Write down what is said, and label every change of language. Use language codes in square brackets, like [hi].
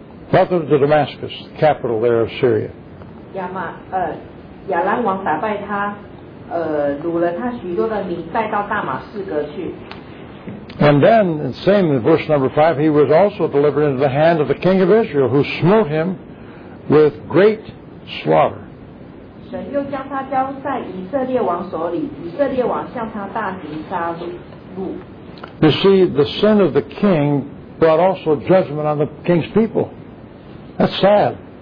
[en] Brought them to Damascus, the capital there of Syria. And then, same in verse number 5, he was also delivered into the hand of the king of Israel, who smote him with great slaughter. [zh] 神又将他交在以色列王手里，以色列王向他大刑杀戮。 [en] You see, the sin of the king brought also judgment on the king's people. That's sad.